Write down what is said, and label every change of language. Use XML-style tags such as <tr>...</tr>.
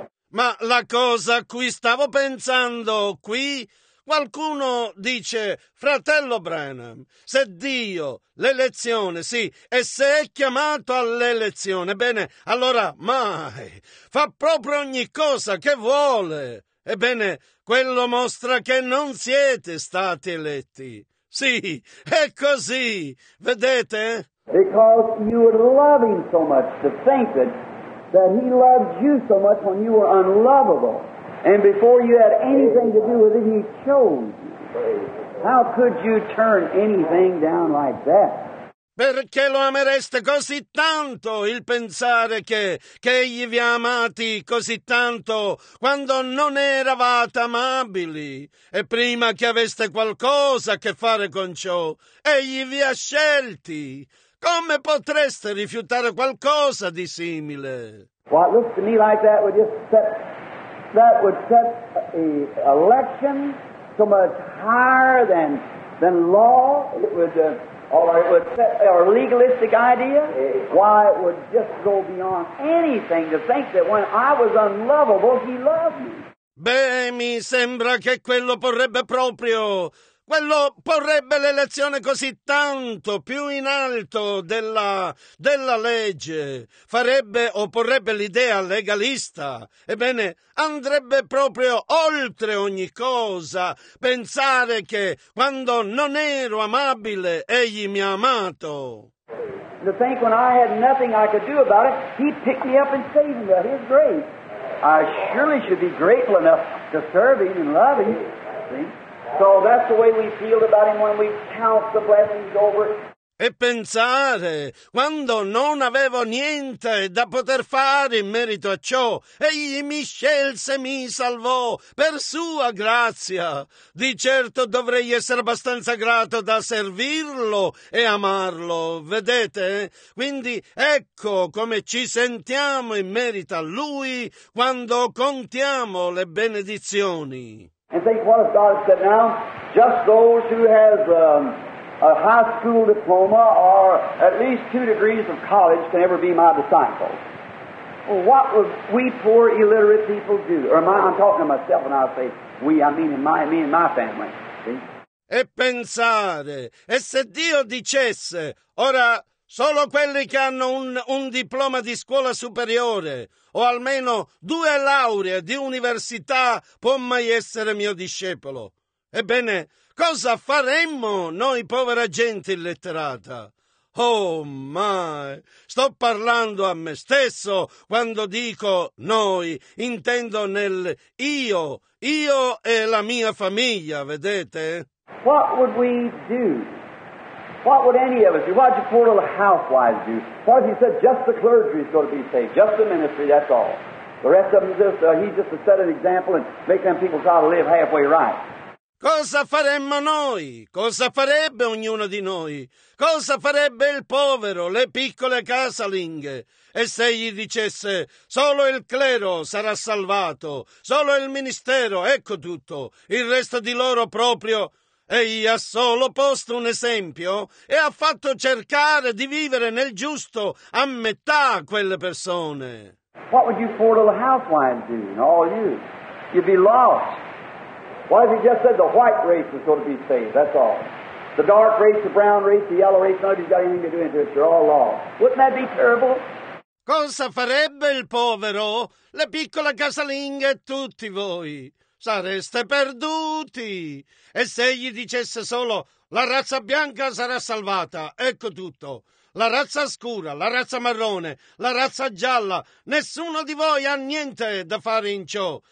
<it>Ma la cosa cui stavo pensando qui, qualcuno dice, fratello Branham, se Dio, l'elezione, sì, e se è chiamato all'elezione, bene, allora mai, fa proprio ogni cosa che vuole. Ebbene, quello mostra che non siete stati eletti. Sì, è così, vedete?</it> <en>Because you would love him so much to think that he loved you so much when you were unlovable. And before you had anything to do with it, he chose. How could you turn anything down like that?</en> <it>Perché lo amereste così tanto il pensare che egli vi ha amati così tanto quando non eravate amabili e prima che aveste qualcosa a che fare con ciò, egli vi ha scelti. Come potreste rifiutare qualcosa di simile?</it> <en>Well, it looks to me like that would just set, that would set the election so much higher than law. It would, or it would set our legalistic idea. Why, it would just go beyond anything to think that when I was unlovable, he loved me.</en> <it>Beh, mi sembra che quello porrebbe proprio... Quello porrebbe l'elezione così tanto più in alto della legge, farebbe o porrebbe l'idea legalista. Ebbene, andrebbe proprio oltre ogni cosa pensare che quando non ero amabile egli mi ha amato.</it> <en>To think when I had nothing I could do about it, he picked me up and saved me. His grace. I surely should be grateful enough to serve him and love him. See? So that's the way we feel about him when we count the blessings over.</en> <it>E pensare, quando non avevo niente da poter fare in merito a ciò, egli mi scelse, mi salvò per sua grazia. Di certo dovrei essere abbastanza grato da servirlo e amarlo, vedete? Quindi ecco come ci sentiamo in merito a lui quando contiamo le benedizioni.</it> <en>And think what if God said now, just those who has a high school diploma or at least 2 degrees of college can ever be my disciples. Well, what would we poor illiterate people do? I'm talking to myself and I say we, I mean me and my family. See?</en> <it>E pensare, e se Dio dicesse, ora solo quelli che hanno un diploma di scuola superiore o almeno 2 lauree di università può mai essere mio discepolo. Ebbene, cosa faremmo noi povera gente illetterata? Oh, mai! Sto parlando a me stesso quando dico noi, intendo nel io e la mia famiglia, vedete?</it> <en>What would we do? What would any of us do? What would your poor little housewives do? What if he said just the clergy is going to be saved? Just the ministry, that's all. The rest of them, he's just to set an example and make them people try to live halfway right.</en> <it>Cosa faremmo noi? Cosa farebbe ognuno di noi? Cosa farebbe il povero, le piccole casalinghe? E se gli dicesse, solo il clero sarà salvato, solo il ministero, ecco tutto, il resto di loro proprio... Egli ha solo posto un esempio e ha fatto cercare di vivere nel giusto a metà quelle persone.</it> <en>What would you poor little housewives do, all you? You'd be lost. What if he just said the white race is going to be saved, that's all. The dark race, the brown race, the yellow race, nobody's got anything to do with it, you're all lost. Wouldn't that be terrible?</en> <it>Cosa farebbe il povero, le piccole casalinghe e tutti voi? Sareste perduti. E se egli dicesse solo la razza bianca sarà salvata, ecco tutto. La razza scura, la razza marrone, la razza gialla, nessuno di voi ha niente da fare in ciò.</it>